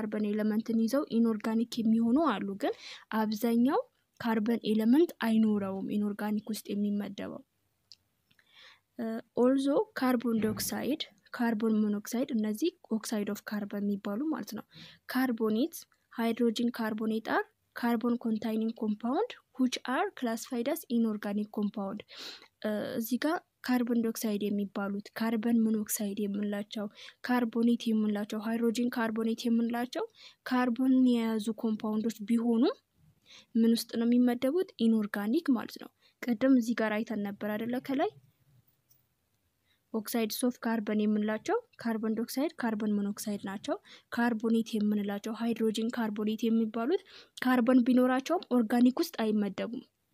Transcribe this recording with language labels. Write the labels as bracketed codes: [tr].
[am] ኤሌመንትን ይዘው ኢንኦርጋኒክ የሚሆኑ አሉ ግን አብዛኛው ካርበን ኤሌመንት አይኖረውም ኢንኦርጋኒክ ውስጥ የሚመደበው ኦልዞ ካርቦን ዳይኦክሳይድ ካርቦን ሞኖክሳይድ እነዚህ ኦክሳይድ ኦፍ ካርበን የሚባሉ ማለት ነው ካርቦኔት ሃይድሮጂን ካርቦኔት አር [en] carbon containing compound which are classified as inorganic compound. [am] እዚጋ carbon dioxide የሚባሉት carbon monoxide የምንላቸው carbonate የምንላቸው hydrogen carbonate የምንላቸው carbon የያዙ compoundዎች ቢሆኑ ምን ውስጥ ነው የሚመደቡት? inorganic ማለት ነው። ቀደም እዚጋ አይተን ነበር አይደለ ከላይ oxides of carbon የምንላቸው carbon dioxide carbon monoxide ናቸው carbonate የምንላቸው hydrogen carbonate የሚባሉት carbon ቢኖራቸው organic ውስጥ አይመደቡም